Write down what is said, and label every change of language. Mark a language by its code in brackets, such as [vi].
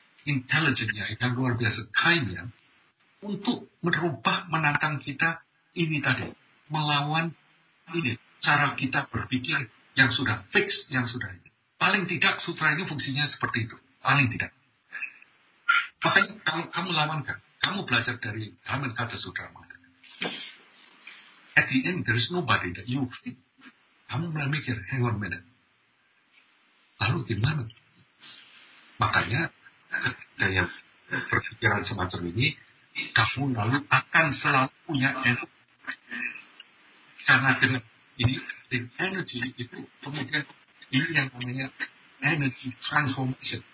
[id] Intelligent-nya, yang luar biasa kind-nya. Untuk merubah, menantang kita ini tadi. Melawan ini, cara kita berpikir yang sudah fix, yang sudah ini. Paling tidak sutra ini fungsinya seperti itu. Paling tidak. Makanya kalau kamu lawankan, kamu belajar dari Dhammen Kata Sutra. [en] At the end, there is nobody that you feel. [id] Kamu mulai mikir, [en] hang on a minute. [id] Lalu gimana? Makanya, daya perpikiran semacam ini, kamu lalu akan selalu punya energi. Karena dengan ini, the energy itu, kemudian ini yang namanya energy transformation.